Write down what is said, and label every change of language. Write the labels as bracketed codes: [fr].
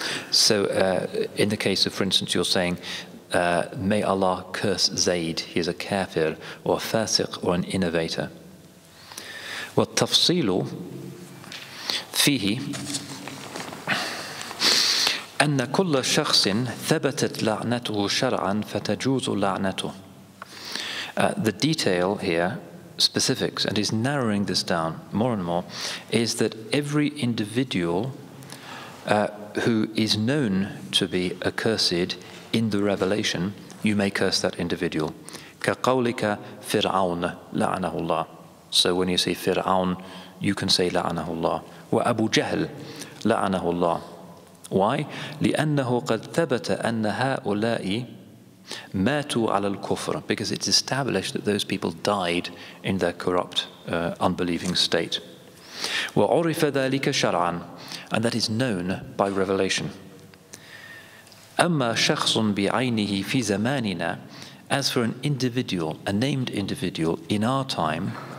[en] So in the case of, for instance, you're saying, may Allah curse Zayd, he is a kafir, or a fasiq, or an innovator. [ar] والتفصيل فيه أن كل شخص ثبتت لعنته شرعا فتجوز لعنته. [en] The detail here, specifics, and he's narrowing this down more and more, is that every individual who is known to be accursed in the revelation, you may curse that individual. [ar] كقولك فرعون لعنه الله. [en] So when you say فرعون, you can say [ar] لعنه الله. وأبو جهل لعنه الله. [en] Why? [ar] لأنه قد ثبت أن هؤلاء ماتوا على الكفر. [en] Because it's established that those people died in their corrupt, unbelieving state. [ar] وعرف ذلك شرعا. [en] And that is known by revelation. [ar] أما شخص بعينه في زماننا, [en] as for an individual, a named individual in our time,